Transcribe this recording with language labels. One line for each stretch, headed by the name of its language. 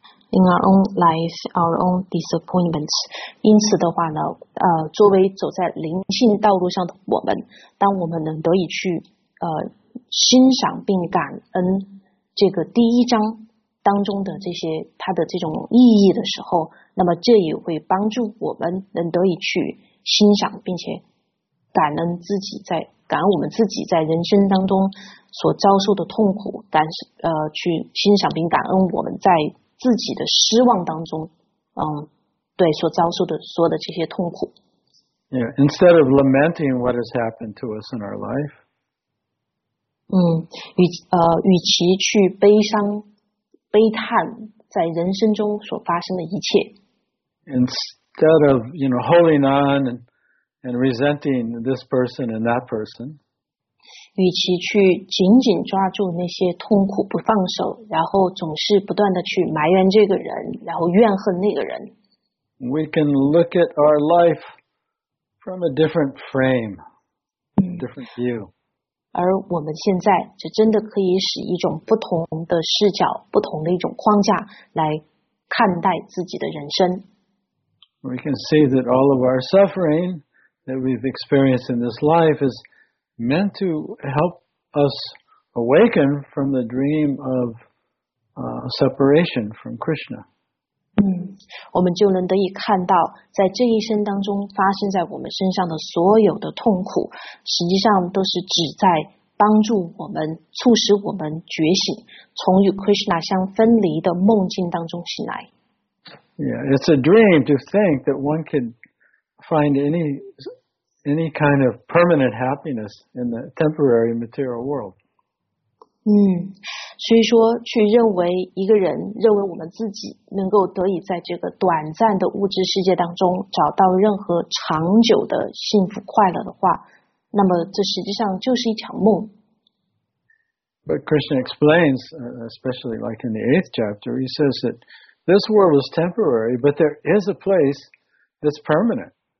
English: in our own life, our own disappointments.
Chinese: 因此的话呢，作为走在灵性道路上的我们，当我们能得以去欣赏并感恩这个第一章当中的这些它的这种意义的时候，那么这也会帮助我们能得以去欣赏并且感恩自己在感恩我们自己在人生当中所遭受的痛苦，去欣赏并感恩我们在自己的失望当中，对所遭受的所有的这些痛苦。
English: Yeah, instead of lamenting what has happened to us in our life.
Chinese: 与其去悲伤、悲叹在人生中所发生的一切。
English: Instead of, you know, holding on and resenting this person and that person.
Chinese: 与其去紧紧抓住那些痛苦不放手，然后总是不断的去埋怨这个人，然后怨恨那个人。
English: We can look at our life from a different frame, different view.
Chinese: 而我们现在就真的可以使一种不同的视角，不同的一种框架来看待自己的人生。
English: We can see that all of our suffering that we've experienced in this life is meant to help us awaken from the dream of separation from Krishna.
Chinese: 我们就能得以看到，在这一生当中发生在我们身上的所有的痛苦，实际上都是旨在帮助我们，促使我们觉醒，从与 Krishna 相分离的梦境当中醒来。
English: Yeah, it's a dream to think that one can find any kind of permanent happiness in the temporary material world.
Chinese: 所以说去认为一个人，认为我们自己能够得以在这个短暂的物质世界当中找到任何长久的幸福快乐的话，那么这实际上就是一场梦。
English: But Krishna explains, especially like in the 8th chapter, he says that this world is temporary, but there is a place that's permanent.